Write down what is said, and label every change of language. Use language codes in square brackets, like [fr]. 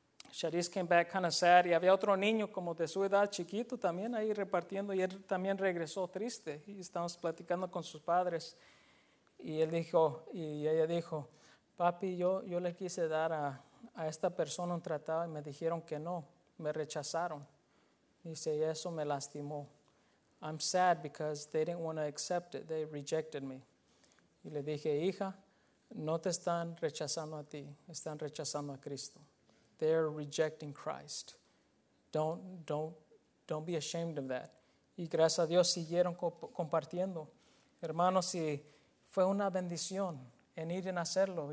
[en] Charisse came back kind of sad. [es] Y había otro niño como de su edad, chiquito, también ahí repartiendo. Y él también regresó triste. Y estábamos platicando con sus padres. Y ella dijo, papi, yo le quise dar a esta persona un tratado y me dijeron que no, me rechazaron. Dice, y eso me lastimó. [en] I'm sad because they didn't want to accept it. They rejected me. [es] Y le dije, hija, no te están rechazando a ti, están rechazando a Cristo. [en] They're rejecting Christ. Don't be ashamed of that. [es] Y gracias a Dios siguieron compartiendo. Hermanos, y fue una bendición en ir a hacerlo.